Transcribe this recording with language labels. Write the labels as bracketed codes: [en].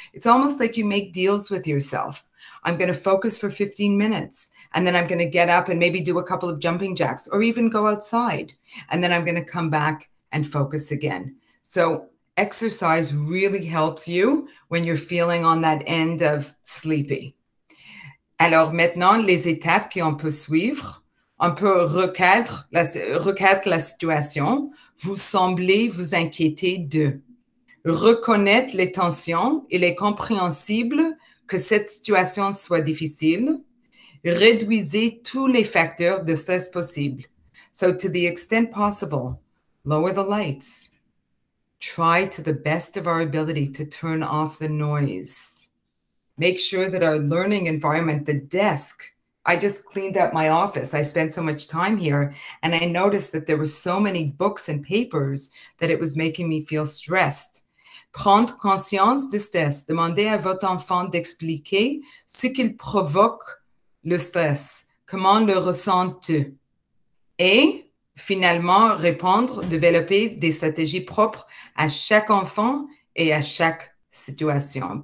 [en] It's almost like you make deals with yourself. I'm going to focus for 15 minutes, and then I'm going to get up and maybe do a couple of jumping jacks or even go outside. And then I'm going to come back and focus again. So exercise really helps you when you're feeling on that end of sleepy. [fr] Alors maintenant, les étapes qu'on peut suivre, on peut recadre la situation. Vous semblez vous inquiéter de. Reconnaître les tensions, il est compréhensible que cette situation soit difficile. Réduisez tous les facteurs de stress possibles. [en] So to the extent possible, lower the lights. Try to the best of our ability to turn off the noise. Make sure that our learning environment, the desk, I just cleaned up my office. I spent so much time here and I noticed that there were so many books and papers that it was making me feel stressed. [fr] Prendre conscience du stress. Demandez à votre enfant d'expliquer ce qu'il provoque le stress. Comment le ressent-tu? Et finalement, répondre, développer des stratégies propres à chaque enfant et à chaque situation.